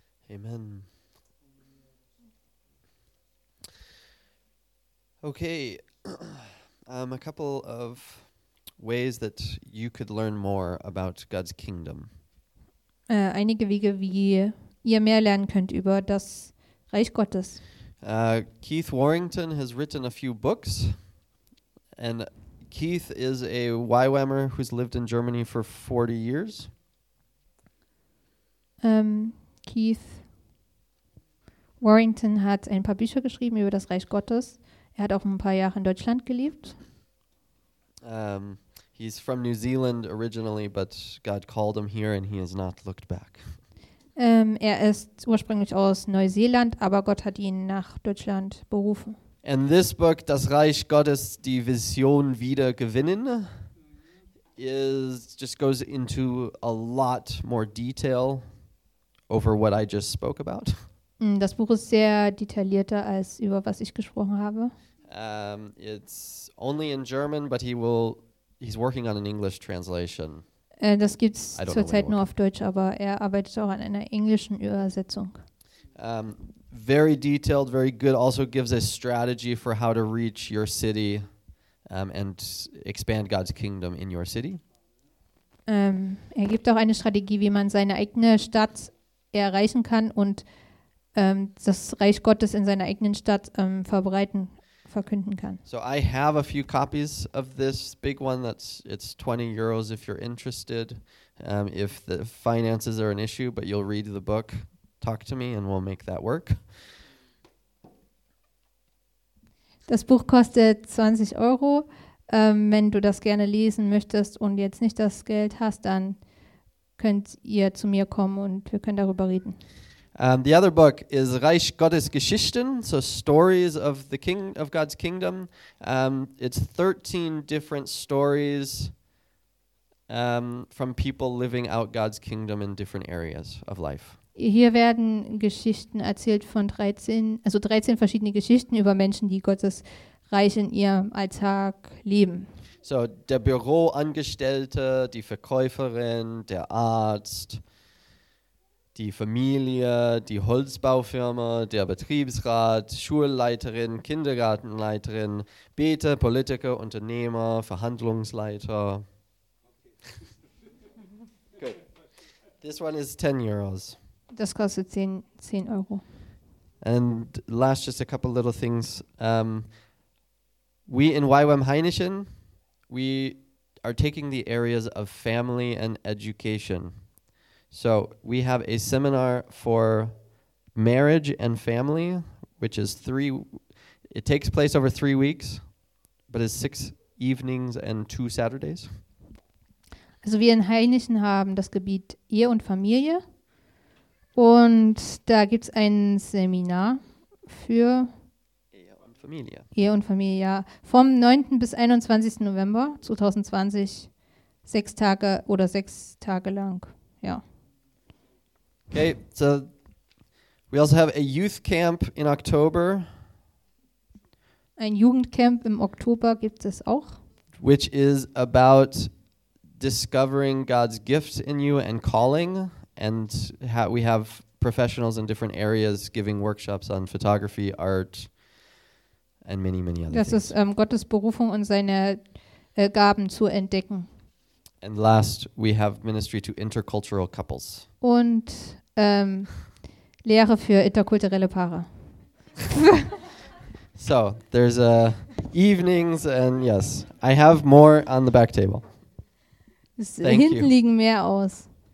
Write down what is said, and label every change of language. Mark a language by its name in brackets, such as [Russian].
[English] Amen. Okay, a couple of ways that you could learn more about God's kingdom. [German] Einige Wege, wie ihr mehr lernen könnt über das Reich Gottes. [English] Keith Warrington has written a few books, and Keith is a YWAMer who's lived in Germany for 40 years. [German] Keith Warrington hat ein paar Bücher geschrieben über das Reich Gottes. Er hat auch ein paar Jahre in Deutschland gelebt. [English] He's from New Zealand originally, but God called him here and he has not looked back. [German] Er ist ursprünglich aus Neuseeland, aber Gott hat ihn nach Deutschland berufen. [English] And this book, Das Reich Gottes, die Vision wieder gewinnen, goes into a lot more detail over what I just spoke about. [German] Das Buch ist sehr detaillierter als über was ich gesprochen habe. [English] It's only in German, but he's working on an English translation. [German] Das gibt's zurzeit nur auf Deutsch, aber er arbeitet auch an einer englischen Übersetzung. [English] Very detailed, very good. Also gives a strategy for how to reach your city and expand God's kingdom in your city. [German] Er gibt auch eine Strategie, wie man seine eigene Stadt erreichen kann und das Reich Gottes in seiner eigenen Stadt verbreiten, verkünden kann. [English] So I have a few copies of this big one. It's 20 euros if you're interested. If the finances are an issue, but you'll read the book, talk to me and we'll make that work. [German] Das Buch kostet 20 Euro. Wenn du das gerne lesen möchtest und jetzt nicht das Geld hast, dann könnt ihr zu mir kommen und wir können darüber reden. [English] The other book is Reich Gottes Geschichten, so Stories of the King of God's Kingdom. It's 13 different stories from people living out God's kingdom in different areas of life. [German] Hier werden Geschichten erzählt von 13, also 13 verschiedene Geschichten über Menschen, die Gottes Reich in ihrem Alltag leben. So der Büroangestellte, die Verkäuferin, der Arzt, die Familie, die Holzbaufirma, der Betriebsrat, Schulleiterin, Kindergartenleiterin, Beter, Politiker, Unternehmer, Verhandlungsleiter. [English] Good. This one is 10 euros. [German] Das kostet 10 Euro. [English] And last, just a couple little things. We in YWAM Hainichen, we are taking the areas of family and education. So we have a seminar for marriage and family, which is it takes place over 3 weeks, but it's 6 evenings and 2 Saturdays. [German] Also wir in Hainichen haben das Gebiet Ehe und Familie. Und da gibt es ein Seminar für Ehe und Familie, ja. Vom 9. bis 21. November 2020, 6 Tage oder 6 Tage lang, ja. [English] Okay, so we also have a youth camp in October. [German] Ein Jugendcamp im Oktober gibt es auch. [English] Which is about discovering God's gift in you and calling. And we have professionals in different areas giving workshops on photography, art, and many, many other things. [German] Das ist Gottes Berufung und seine Gaben zu entdecken. [English] And last, we have ministry to intercultural couples. [German] Und Lehre für interkulturelle Paare. [English] So, there's evenings and yes, I have more on the back table. Thank you. [German] Hinten liegen mehr aus.